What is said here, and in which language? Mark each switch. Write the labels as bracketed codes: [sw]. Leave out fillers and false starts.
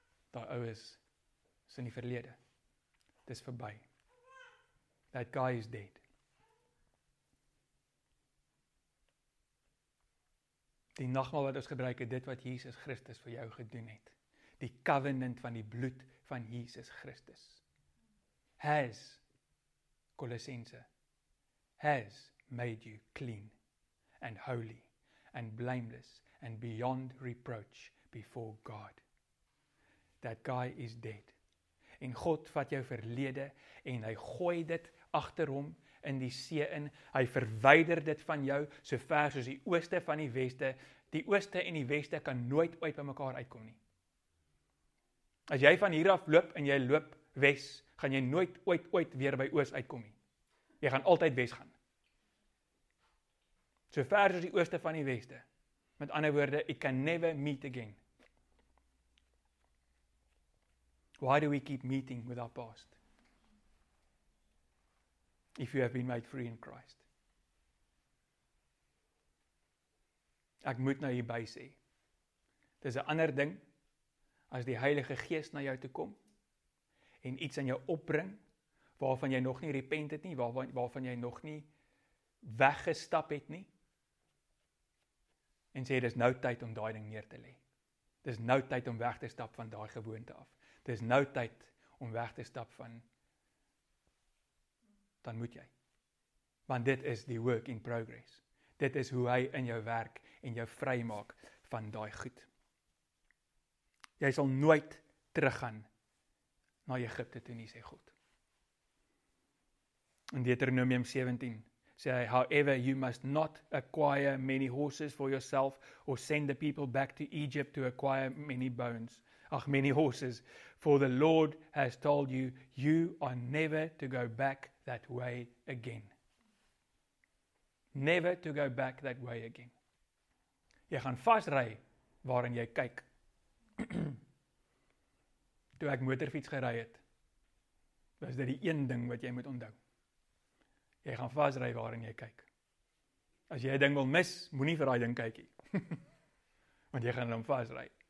[af] Daai ou is in die verlede. Dis verby. [en] "That guy is dead." [af] Die nagmaal wat ons gebruik het, dit wat Jesus Christus vir jou gedoen het. Die covenant van die bloed van Jesus Christus. [en] Has made you clean and holy and blameless and beyond reproach before God. That guy is dead. [af] En God vat jou verlede en hy gooi dit agter hom in die see in. Hy verwyder dit van jou so ver soos die ooste van die weste. Die ooste en die weste kan nooit ooit by mekaar uitkom nie. As jy van hier af loop en jy loop wes, gaan jy nooit ooit weer by oos uitkom nie. Jy gaan altyd wes gaan. So ver as die ooste van die weste. Met ander woorde, [en] it can never meet again. Why do we keep meeting with our past? If you have been made free in Christ. [af] Ek moet nou hierby sê. Dis 'n ander ding as die Heilige Gees na jou toe kom en iets aan jou opbring waarvan jy nog nie repent het nie, waarvan jy nog nie weggestap het nie. En sê, dis nou tyd om daai ding neer te lê. Dis nou tyd om weg te stap van daai gewoonte af. Dis nou tyd om weg te stap van, dan moet jy. Want dit is die [en] work in progress. [af] Dit is hoe hy in jou werk en jou vry maak van daai goed. Jy sal nooit teruggaan na Egipte toe nie, sê God. In Deuteronomium 17 [en] Say, however, you must not acquire many horses for yourself or send the people back to Egypt to acquire many horses. For the Lord has told you, you are never to go back that way again. Never to go back that way again. [af] Jy gaan vasry waarin jy kyk. Toe ek motorfiets gery het, was dit die een ding wat jy moet onthou. Jy gaan vasry waarin jy kyk. As jy 'n ding wil mis, moenie vir daai ding kyk nie. Want jy gaan hom vasry.